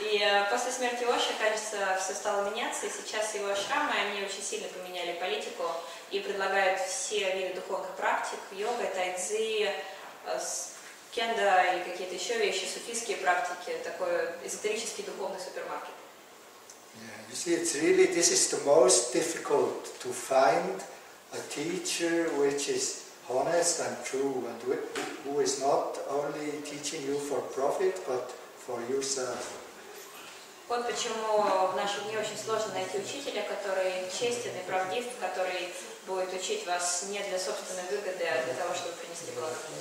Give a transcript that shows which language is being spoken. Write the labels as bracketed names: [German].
[Russian] И после смерти Оши, кажется, все стало меняться, и сейчас его ашрамы, они очень сильно поменяли политику и предлагают все виды духовных практик, йога, тайцзи, кендо и какие-то еще вещи, суфийские практики, такой эзотерический духовный супермаркет. [English] Yeah, you see, it's really, this is the most difficult to find a teacher which is honest and true, and who is not only teaching you for profit, but for yourself. [Russian] Вот почему в наши дни очень сложно найти учителя, который честен и правдив, который будет учить вас не для собственной выгоды, а для того, чтобы принести благо.